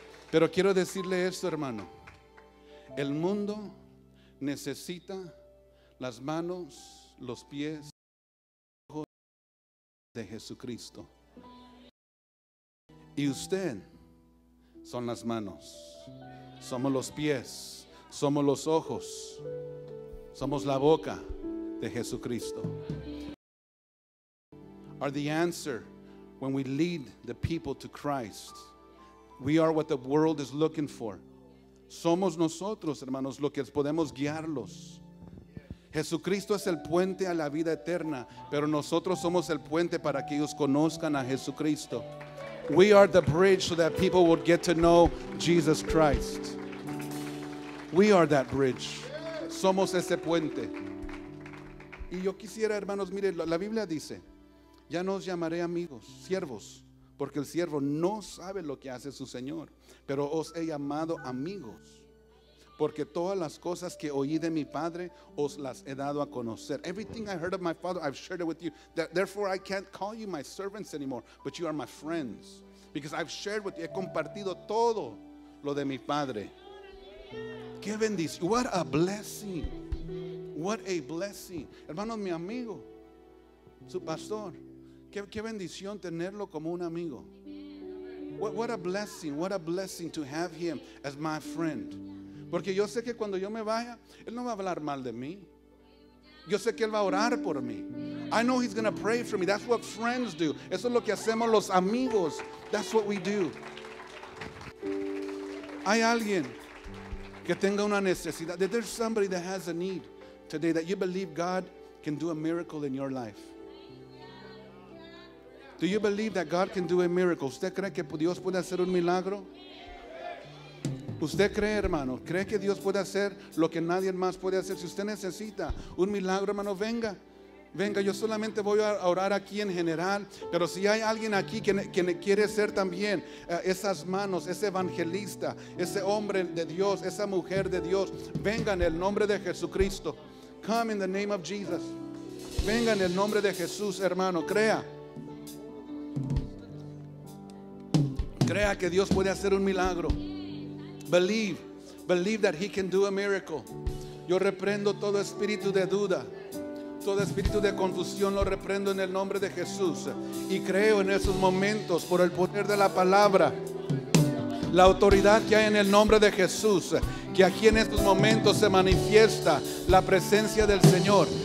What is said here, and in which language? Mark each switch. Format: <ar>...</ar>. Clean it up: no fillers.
<es>Pero quiero decirle esto, hermano. El mundo necesita las manos, los pies, los ojos de Jesucristo. Y usted son las manos, somos los pies, somos los ojos, somos la boca de Jesucristo.</es> <en>Are the answer when we lead the people to Christ. We are what the world is looking for.</en> <es>Somos nosotros, hermanos, los que podemos guiarlos. Jesucristo es el puente a la vida eterna, pero nosotros somos el puente para que ellos conozcan a Jesucristo.</es> <en>We are the bridge so that people would get to know Jesus Christ. We are that bridge.</en> <es>Somos ese puente. Y yo quisiera, hermanos, mire, la Biblia dice, ya no os llamaré amigos, siervos, porque el siervo no sabe lo que hace su Señor. Pero os he llamado amigos, porque todas las cosas que oí de mi Padre os las he dado a conocer.</es> <en>Everything I heard of my Father, I've shared it with you. Therefore, I can't call you my servants anymore, but you are my friends. Because I've shared with you,</en> <es>he compartido todo lo de mi Padre. Qué bendición.</es> <en>What a blessing. What a blessing.</en> <es>Hermano, mi amigo, su pastor. Qué bendición tenerlo como un amigo.</es> <en>What a blessing, what a blessing to have him as my friend.</en> <es>Porque yo sé que cuando yo me vaya, él no va a hablar mal de mí. Yo sé que él va a orar por mí.</es> <en>I know he's going to pray for me. That's what friends do.</en> <es>Eso es lo que hacemos los amigos.</es> <en>That's what we do.</en> <es>Hay alguien que tenga una necesidad.</es> <en>There's somebody that has a need today that you believe God can do a miracle in your life. Do you believe that God can do a miracle?</en> <es>¿Usted cree que Dios puede hacer un milagro? ¿Usted cree, hermano? ¿Cree que Dios puede hacer lo que nadie más puede hacer? Si usted necesita un milagro, hermano, venga. venga, yo solamente voy a orar aquí en general, pero si hay alguien aquí que quiere ser también esas manos, ese evangelista, ese hombre de Dios, esa mujer de Dios, venga en el nombre de Jesucristo.</es> <en>Come in the name of Jesus.</en> <es>Venga en el nombre de Jesús, hermano, crea. Crea que Dios puede hacer un milagro.</es> <en>Believe, believe that he can do a miracle.</en> <es>Yo reprendo todo espíritu de duda, todo espíritu de confusión, lo reprendo en el nombre de Jesús. Y creo en esos momentos por el poder de la palabra, la autoridad que hay en el nombre de Jesús, que aquí en estos momentos se manifiesta la presencia del Señor.</es>